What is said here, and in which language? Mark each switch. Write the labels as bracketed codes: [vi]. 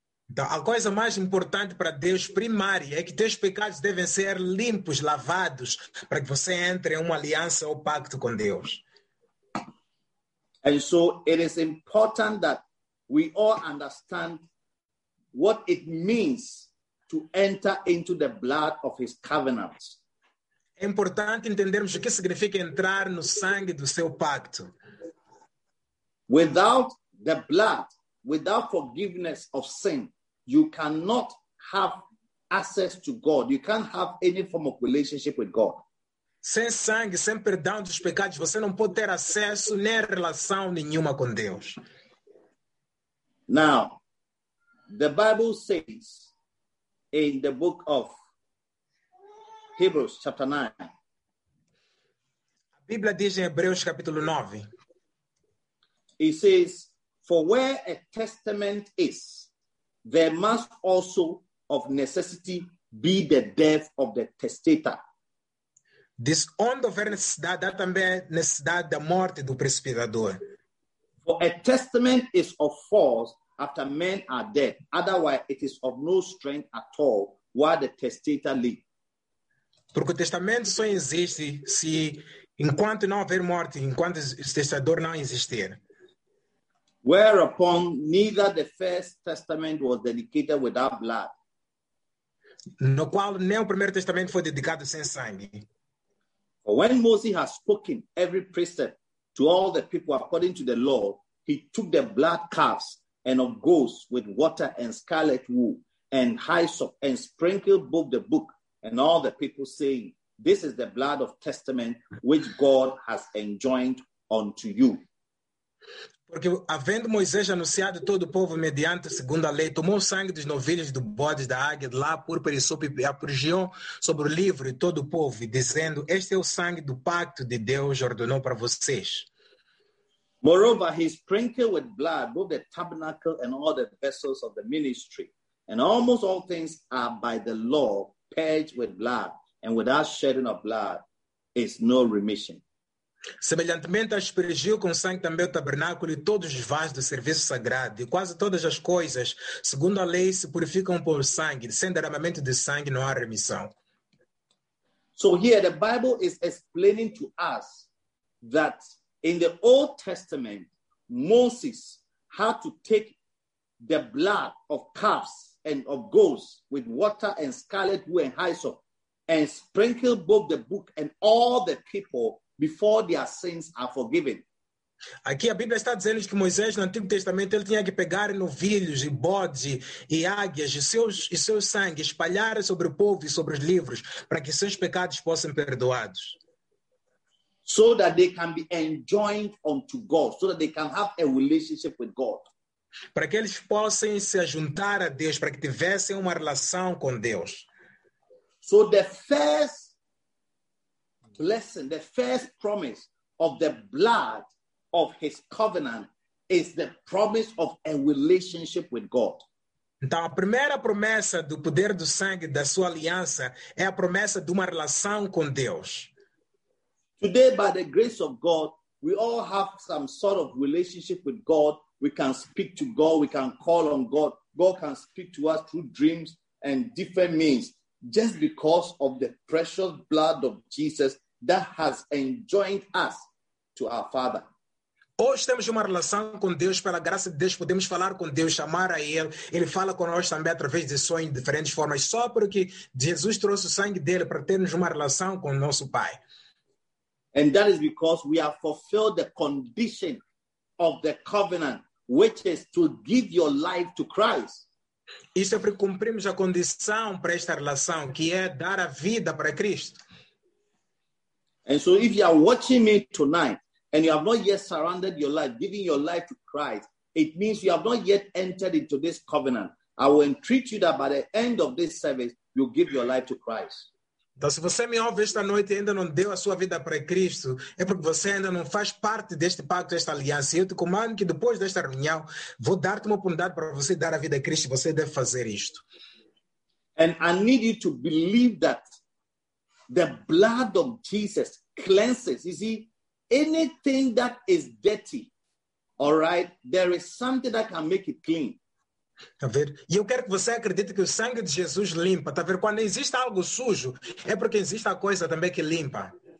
[pt] Então, a coisa mais importante para Deus, primária, é que teus pecados devem ser limpos, lavados, para que você entre em uma aliança ou pacto com Deus. [en] And so it is important that we all understand what it means to enter into the blood of his covenant. [pt] É importante entendermos o que significa entrar no sangue do seu pacto. [en] Without the blood, without forgiveness of sin, you cannot have access to God. You can't have any form of relationship with God. [pt] Sem sangue, sem perdão dos pecados, você não pode ter acesso nem relação nenhuma com Deus. [en] Now, the Bible says in the book of Hebrews, chapter 9. [pt] A Bíblia diz em Hebreus, capítulo 9. [en] It says, for where a testament is, there must also, of necessity, be the death of the testator. [pt] Diz, onde houver necessidade, há também necessidade da morte do precipitador. [en] For a testament is of force after men are dead. Otherwise, it is of no strength at all while the testator lives. [pt] Porque o testamento só existe se, enquanto não houver morte, enquanto o testador não existir. [en] Whereupon neither the first testament was dedicated without blood. [pt] No qual nem o primeiro testamento foi dedicado sem sangue. [en] For when Moses had spoken every precept to all the people according to the law, he took the blood calves and of goats with water and scarlet wool and hyssop and sprinkled both the book and all the people, saying, this is the blood of testament which God has enjoined unto you. [pt] Porque, havendo Moisés anunciado todo o povo mediante a segunda lei, tomou o sangue dos novilhos, do bode, da águia, de lá, púrpura e sopa, e apurgiou sobre o livro e todo o povo, dizendo, este é o sangue do pacto de Deus ordenou para vocês. [en] Moreover, he sprinkled with blood both the tabernacle and all the vessels of the ministry. And almost all things are by the law purged with blood, and without shedding of blood is no remission. [pt] Semelhantemente, aspergiu com sangue também o tabernáculo e todos os vasos do serviço sagrado, e quase todas as coisas, segundo a lei, se purificam por sangue. Sem derramamento de sangue, não há remissão. [en] So here the Bible is explaining to us that in the Old Testament, Moses had to take the blood of calves and of goats with water and scarlet wool and hyssop and sprinkle both the book and all the people before their sins are forgiven. [pt] Aqui a Bíblia está dizendo que Moisés no Antigo Testamento ele tinha que pegar novilhos e bodes e águias e seu sangue, espalhar sobre o povo e sobre os livros para que seus pecados fossem perdoados. [en] So that they can be enjoined unto God, so that they can have a relationship with God. [pt] Para que eles possam se ajuntar a Deus, para que tivessem uma relação com Deus. [en] So the first blessing, the first promise of the blood of his covenant is the promise of a relationship with God. [pt] Então, a primeira promessa do poder do sangue da sua aliança é a promessa de uma relação com Deus. [en] Today, by the grace of God, we all have some sort of relationship with God. We can speak to God. We can call on God. God can speak to us through dreams and different means, just because of the precious blood of Jesus that has enjoined us to our Father. [pt] Hoje temos uma relação com Deus, pela graça de Deus, podemos falar com Deus, chamar a Ele. Ele fala conosco também através de sonhos, de diferentes formas, só porque Jesus trouxe o sangue dEle para termos uma relação com o nosso Pai. [en] And that is because we have fulfilled the condition of the covenant, which is to give your life to Christ. [pt] Isso é porque cumprimos a condição para esta relação, que é dar a vida para Cristo. [en] And so if you are watching me tonight, and you have not yet surrendered your life, giving your life to Christ, it means you have not yet entered into this covenant. I will entreat you that by the end of this service, you give your life to Christ. [pt] Então, se você me ouve esta noite e ainda não deu a sua vida para Cristo, é porque você ainda não faz parte deste pacto, desta aliança. E eu te comando que depois desta reunião, vou dar-te uma oportunidade para você dar a vida a Cristo. Você deve fazer isto. [en] And I need you to believe that the blood of Jesus cleanses, you see, anything that is dirty, all right, there is something that can make it clean. [pt] Tá ver? E eu quero que você acredite que o sangue de Jesus limpa. Tá ver? Quando existe algo sujo, é porque existe a coisa também que limpa.